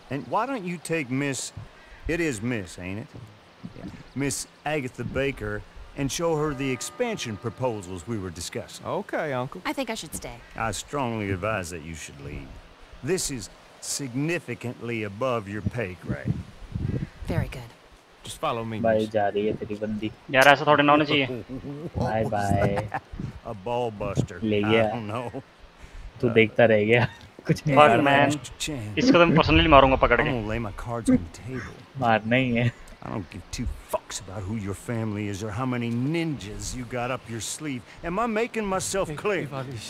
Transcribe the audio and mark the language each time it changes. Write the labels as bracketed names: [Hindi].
[English] And why don't you take Miss... It is Miss, ain't it? Yeah. Miss Agatha Baker and show her the expansion proposals we were discussing. Okay, Uncle. I think I should stay. I strongly advise that you should leave. This is significantly above your pay grade. Very good. Just follow me. [Hindi] भाई जा रही है तेरी बंदी। यार ऐसा थोड़ी ना होना चाहिए। Bye bye. [English] A ball buster. [Hindi] ले गया। तू देखता रह गया। कुछ नहीं। [English] Fuck man. [Hindi] इसको तो मैं personally मारूंगा पकड़ के। [English] Lay my cards on the table. [Hindi] मार नहीं है। [English] I don't give two fucks about who your family is or how many ninjas you got up your sleeve. Am I making myself clear?